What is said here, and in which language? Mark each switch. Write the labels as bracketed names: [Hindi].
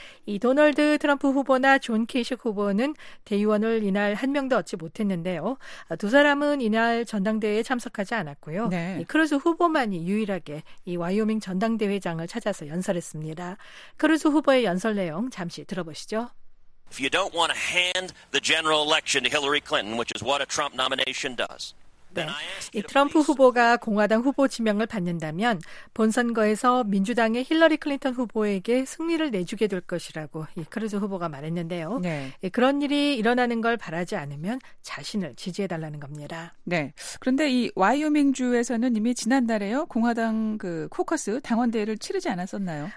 [Korean] 이 도널드 트럼프 후보나 존 케이식 후보는 대의원을 이날 한 명도 얻지 못했는데요. 두 사람은 이날 전당대회에 참석하지 않았고요. 네. 이 크루즈 후보만이 유일하게 이 와이오밍 전당대회장을 찾아서 연설했습니다. 크루즈 후보의 연설 내용 잠시 들어보시죠. [English] If you don't want to hand the general election to Hillary Clinton, which is what a Trump nomination does. [Korean] 네. 이 트럼프 후보가 공화당 후보 지명을 받는다면 본선거에서 민주당의 힐러리 클린턴 후보에게 승리를 내주게 될 것이라고 이 크루즈 후보가 말했는데요. 네. 예, 그런 일이 일어나는 걸 바라지 않으면 자신을 지지해달라는 겁니다. 네. 그런데 이 와이오밍주에서는 이미 지난달에요. 공화당 그 코커스 당원대회를 치르지 않았었나요?